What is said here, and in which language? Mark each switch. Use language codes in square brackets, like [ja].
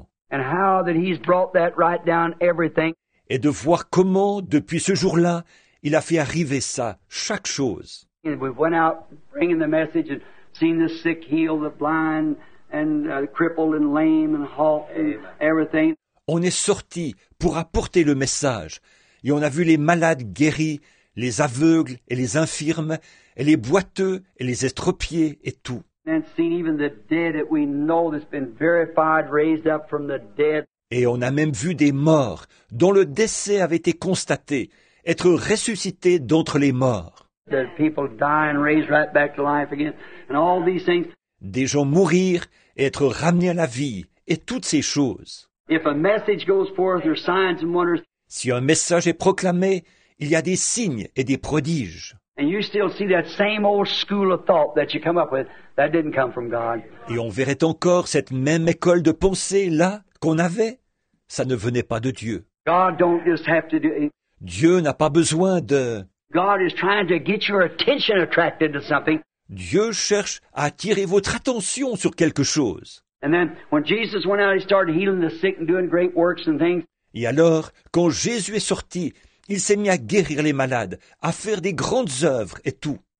[en] And how that he's brought that right down everything. [fr] Et de voir comment, depuis ce jour-là, il a fait arriver ça, chaque chose. [en] And we went out bringing the message and seen the sick heal, the blind and crippled and lame and halt and everything. [fr] On est sorti pour apporter le message et on a vu les malades guéris, les aveugles et les infirmes, et les boiteux et les estropiés et tout. [en] And seen even the dead that we know that's been verified, raised up from the dead. [fr] Et on a même vu des morts dont le décès avait été constaté, être ressuscités d'entre les morts. [en] That people die and raise right back to life again, and all these things. [fr] Des gens mourir et être ramenés à la vie et toutes ces choses. [en] If a message goes forth, there are signs and wonders. [fr] Si un message est proclamé, il y a des signes et des prodiges. [en] And you still see that same old school of thought that you come up with that didn't come from God. [fr] Et on verrait encore cette même école de pensée là qu'on avait, ça ne venait pas de Dieu. [en] God don't just have to do it. [fr] Dieu n'a pas besoin de. [en] God is trying to get your attention attracted to something. [fr] Dieu cherche à attirer votre attention sur quelque chose. [en] And then when Jesus went out, he started healing the sick and doing great works and things. [fr] Et alors, quand Jésus est sorti, il s'est mis à guérir les malades, à faire des grandes œuvres et tout.